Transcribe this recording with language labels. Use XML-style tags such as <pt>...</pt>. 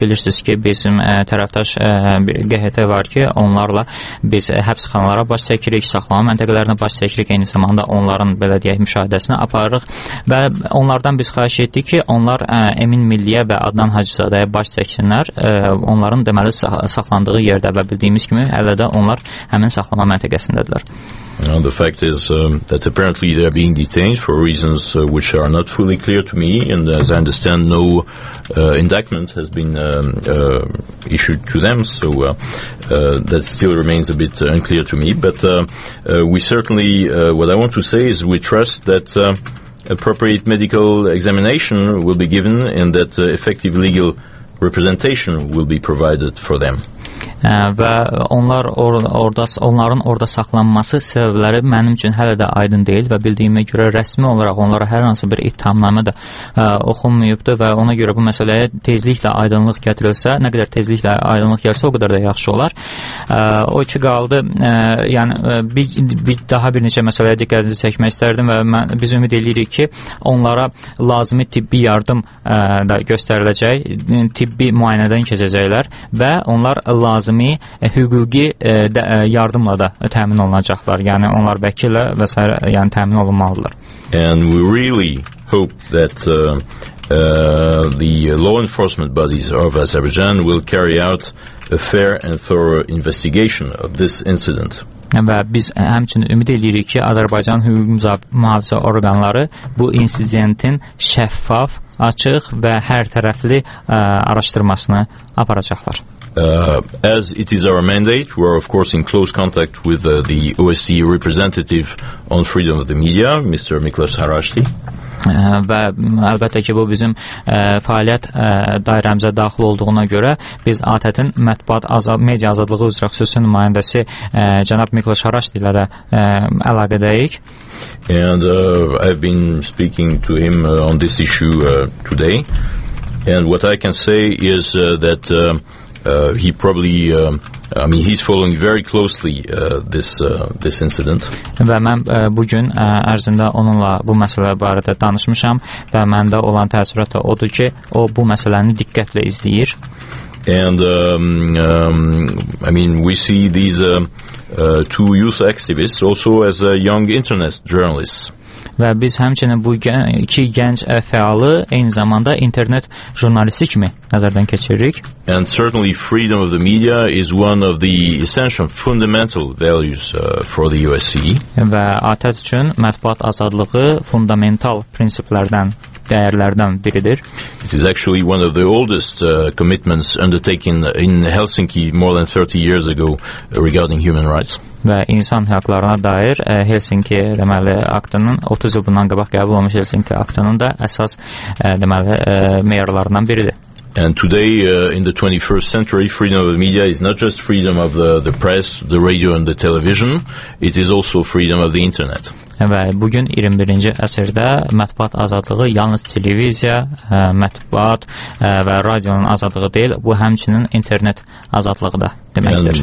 <az>Bilirsiniz ki, bizim tərəfdaş QHT var ki, onlarla biz həbsxanalara baş çəkirik, saxlama məntəqələrinə baş çəkirik, eyni zamanda onların belə deyək müşahidəsini aparırıq və onlardan biz xahiş etdik ki, onlar Emin Milliyə və Adnan Hacizadəyə baş çəksin. Onların deməli saxlandığı yerdə və bildiyimiz kimi hələ də onlar həmin saxlama məntəqəsindədirlər.</az> <en>Now the fact is that apparently they are being detained for reasons which are not fully clear to me, and as I understand, no indictment has been issued to them, so that still remains a bit unclear to me, but we certainly what I want to say is we trust that appropriate medical examination will be given and that effective legal representation will be provided for them.</en> <az>Və onlar onların orada saxlanması səbəbləri mənim üçün hələ də aydın deyil və bildiyimə görə rəsmi olaraq onlara hər hansı bir ittihamnamə də oxunmayıbdır və ona görə bu məsələyə tezliklə aydınlıq gətirilsə, nə qədər tezliklə aydınlıq gəlsə o qədər də yaxşı olar. O ki qaldı, yəni daha bir neçə məsələyə diqqətinizi çəkmək istərdim və biz ümid edirik ki, onlara lazımi tibbi yardım da göstəriləcək, tibbi müayinədən keçəcəklər və onlar lazımi hüquqi yardımla da təmin olunacaqlar. Yəni onlar vəkillə və s. yəni təmin olunmalıdırlar.</az> <en>And we really hope that the law enforcement bodies of Azerbaijan will carry out a fair and thorough investigation of this incident.</en> <az>Və biz həmçinin ümid edirik ki, Azərbaycan hüquq mühafizə orqanları bu insidentin şəffaf, açıq və hər tərəfli araşdırmasını aparacaqlar.</az> <en>As it is our mandate, we are of course in close contact with the OSCE representative on freedom of the media, Mr. Miklos Harashti.</en> <az>Və əlbəttə ki, bu bizim fəaliyyət dairəmizə daxil olduğuna görə biz ATƏT-in mətbuat media azadlığı üzrə xüsusi nümayəndəsi cənab Mikla Şaraşdi ilə də əlaqədəyik.</az> <en>And I've been speaking to him on this issue today. And what I can say is that he probably I mean he's following very closely this incident.</en> <az>Və mən bu gün ərzində onunla bu məsələ barədə danışmışam və məndə olan təəssürat odur ki, o bu məsələni diqqətlə izləyir.</az> <en>And I mean we see these two youth activists also as a young internet journalists.</en> <az>Və biz həmçinin bu iki gənc fəalı eyni zamanda internet jurnalisti kimi nəzərdən keçiririk.</az> <en>And certainly freedom of the media is one of the essential fundamental values for the USC.</en> <az>Və ATƏT üçün mətbuat azadlığı fundamental prinsiplərdən dəyərlərdən biridir.</az> <en>It is actually one of the oldest commitments undertaken in Helsinki more than 30 years ago regarding human rights.</en> <az>Və insan hüquqlarına dair Helsinki deməli aktının 30 il bundan qabaq qəbul olmuş Helsinki aktının da əsas deməli meyarlarından biridir.</az> <en>And today in the 21st century freedom of the media is not just freedom of the press, the radio and the television, it is also freedom of the internet.</en> <az>Və bugün 21-ci əsrdə mətbuat azadlığı yalnız televiziya, mətbuat və radionun azadlığı deyil, bu həmçinin internet azadlığı da deməkdir.</az>